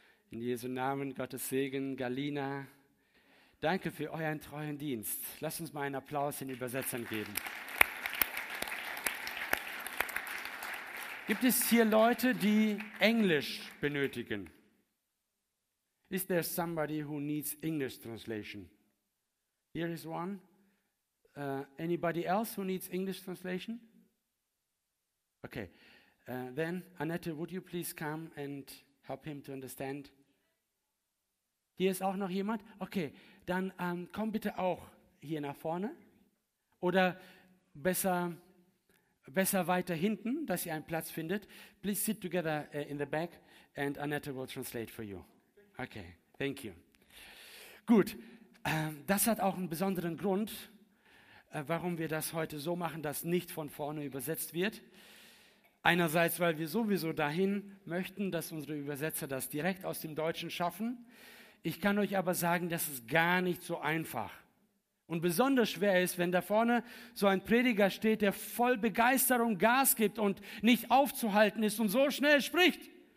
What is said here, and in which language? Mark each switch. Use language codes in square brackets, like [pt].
[de] In Jesu Namen, Gottes Segen, Galina. Danke für euren treuen Dienst. Lasst uns mal einen Applaus den Übersetzern geben. Gibt es hier Leute, die Englisch benötigen? [en] Is there somebody who needs English translation? Here is one. Anybody else who needs English translation? Okay. Then, Annette, would you please come and help him to understand? [de] Hier ist auch noch jemand? Okay, dann komm bitte auch hier nach vorne. Oder besser weiter hinten, dass ihr einen Platz findet. [en] Please sit together in the back and Annette will translate for you. Okay, thank you. [de] Gut, das hat auch einen besonderen Grund, warum wir das heute so machen, dass nicht von vorne übersetzt wird. Einerseits, weil wir sowieso dahin möchten, dass unsere Übersetzer das direkt aus dem Deutschen schaffen. Ich kann euch aber sagen, das ist gar nicht so einfach. Und besonders schwer ist, wenn da vorne so ein Prediger steht, der voll Begeisterung Gas gibt und nicht aufzuhalten ist und so schnell spricht.